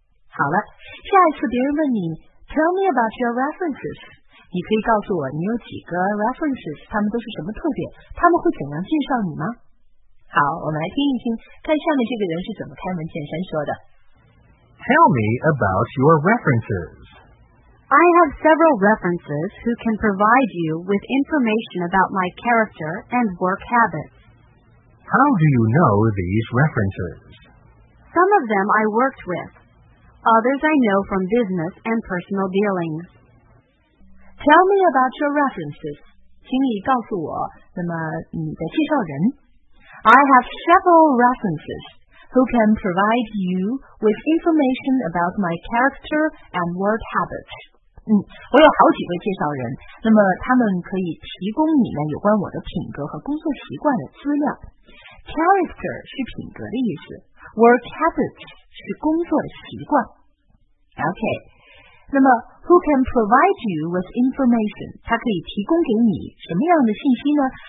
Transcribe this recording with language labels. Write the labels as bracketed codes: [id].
[zh] 好了，下一次别人问你 Tell me about your references，你可以告诉我你有几个 references， 他们都是什么特点，他们会怎样介绍你吗？好，我们来听一听看下面这个人是怎么开门见山说的。 [en] Tell me about your references. I have several references who can provide you with information about my character and work habits. How do you know these references? Some of them I worked withOthers I know from business and personal dealings. Tell me about your references. [zh] 请你告诉我，那么你的介绍人。 [en] I have several references who can provide you with information about my character and work habits. [zh] 我有好几位介绍人，那么他们可以提供你们有关我的品格和工作习惯的资料。 Character 是品格的意思， work habits是工作的习惯。 OK， 那么 who can provide you with information，他可以提供给你什么样的信息呢？